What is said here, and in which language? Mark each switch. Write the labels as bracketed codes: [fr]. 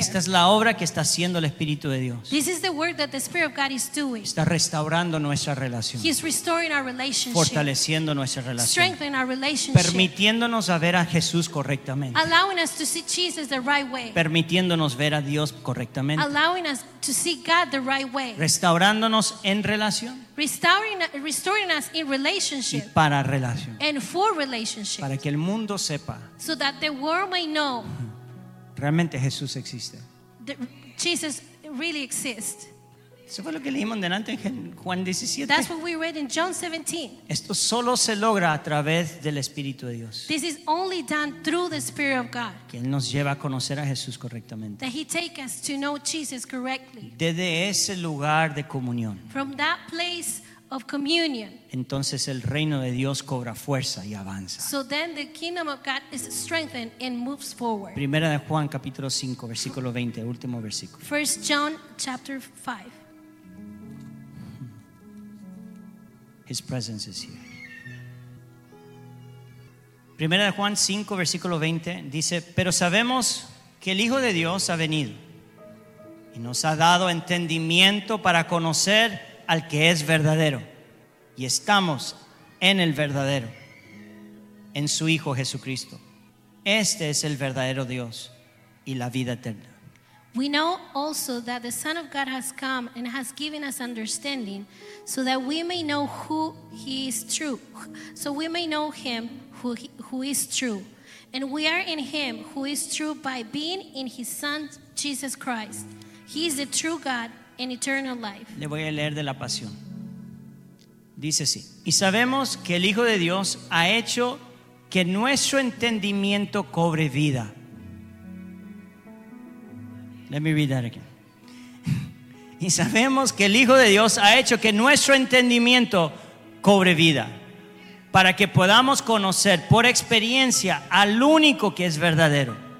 [es] Esta es la obra que está haciendo el Espíritu de Dios. [en] This is the work that the Spirit of God is doing. [es] Está restaurando nuestra relación. [en] He's restoring our relationship. [es] Fortaleciendo nuestra relación. [en] Strengthening our relationship. [es] Permitiéndonos a ver a Jesús correctamente. [en] Allowing us to see Jesus the right way. [es] Permitiéndonos ver a Dios correctamente. [en] Allowing us to see God the right way. [es] Restaurándonos en relación. [en] Restoring us in relationship [es] y para relación. [en] And for relationship. [es] Para que el mundo sepa. [en] So that the world may know. [es] Realmente Jesús existe. [en] Jesus really exists. [es] Eso fue lo que leímos delante en Juan 17. [en] That's what we read in John 17. [es] Esto solo se logra a través del Espíritu de Dios. [en] This is only done through the Spirit of God. [es] Que Él nos lleva a conocer a Jesús correctamente. [en] That He take us to know Jesus correctly. [es] Desde ese lugar de comunión. [en] From that place of communion. [es] Entonces el reino de Dios cobra fuerza y avanza. [en] So then the kingdom of God is strengthened and moves forward. [es] Primera de Juan capítulo 5 versículo 20, último versículo. [en] 1 John chapter 5. His presence is here. [es] Primera de Juan 5 versículo 20 dice, pero sabemos que el Hijo de Dios ha venido y nos ha dado entendimiento para conocer al que es verdadero, y estamos en el verdadero, en su Hijo Jesucristo. Este es el verdadero Dios y la vida eterna. [en] We know also that the Son of God has come and has given us understanding, so that we may know who He is true. So we may know Him who is true. And we are in Him who is true by being in His Son, Jesus Christ. He is the true God and eternal life. [es] Le voy a leer de la Pasión. Dice así. Y sabemos que el Hijo de Dios ha hecho que nuestro entendimiento cobre vida. [en] Let me read that again. [es] Y sabemos que el Hijo de Dios ha hecho que nuestro entendimiento cobre vida, para que podamos conocer por experiencia al único que es verdadero.